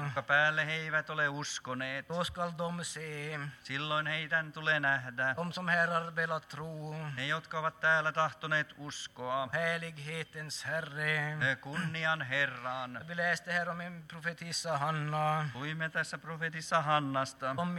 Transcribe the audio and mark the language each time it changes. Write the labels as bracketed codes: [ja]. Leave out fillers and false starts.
[fi] Jotka päälle he eivät ole uskoneet. [sv] Då ska de se. [fi] Silloin heidän tulee nähdä. [sv] De som herrar vill ha tro. [fi] Ne, jotka ovat täällä tahtoneet uskoa. [sv] Helighetens herre. [fi] Ne kunnian herran. [sv] Vi läste här om en profetissa Hanna. [fi] Luimme tässä profetissa Hannasta.